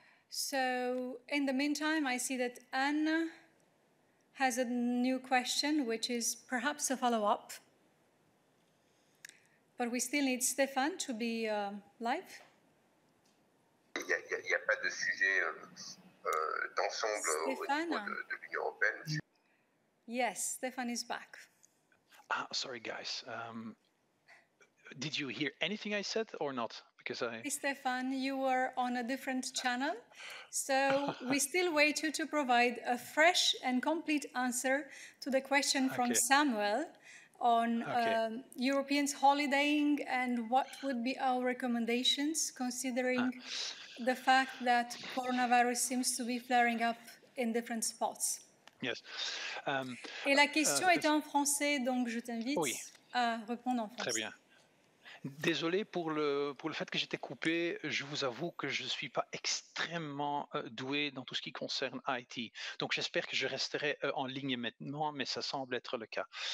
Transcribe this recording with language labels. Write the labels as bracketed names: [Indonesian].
[English] So in the meantime, I see that Anne has a new question, which is perhaps a follow-up. But we still need Stéphane to be live. [French] Il n'y a pas de sujet d'ensemble Stéphane. Au niveau de l'Union européenne. [English] Yes, Stéphane is back. Ah, sorry, guys. Did you hear anything I said or not? Because I... Stéphane, you were on a different channel. So we still wait you to provide a fresh and complete answer to the question from Samuel on Europeans holidaying and what would be our recommendations considering the fact that coronavirus seems to be flaring up in different spots. Yes. [French] Et la question est en français, donc je t'invite à répondre en français. Très bien. Désolé pour le fait que j'étais coupé. Je vous avoue que je ne suis pas extrêmement doué dans tout ce qui concerne IT. Donc, j'espère que je resterai en ligne maintenant, mais ça semble être le cas.